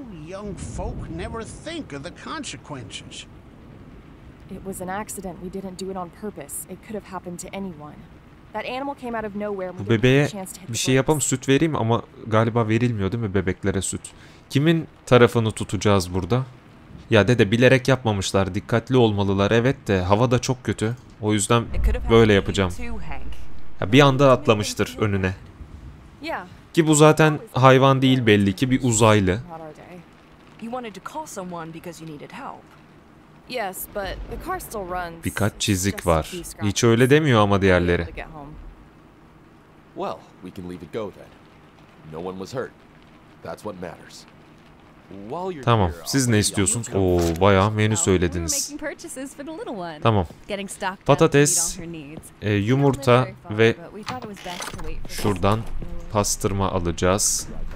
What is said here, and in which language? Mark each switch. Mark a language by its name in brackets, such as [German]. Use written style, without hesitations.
[English] Young folk never think of the consequences. It was an accident. We didn't do it on purpose. It could have happened to anyone. That animal came out of nowhere. [Turkish] Bu bebeğe bir şey yapalım, süt vereyim ama galiba verilmiyor değil mi bebeklere süt? Kimin tarafını tutacağız burada? Ya dede, bilerek yapmamışlar. Dikkatli olmalılar. Evet de hava da çok kötü. O yüzden böyle yapacağım. Ya bir anda atlamıştır önüne. Ki bu zaten hayvan değil belli ki, bir uzaylı. [English] You wanted to call someone because you needed help. Yes, but the car still runs. [Turkish] Birkaç çizik var. Hiç öyle demiyor ama diğerleri. [English] Well, we can leave it go then. No one was hurt. That's what matters. While you're [Turkish] tamam, siz ne istiyorsunuz? Oo, bayağı menü söylediniz. Tamam. Patates, yumurta ve şuradan pastırma alacağız.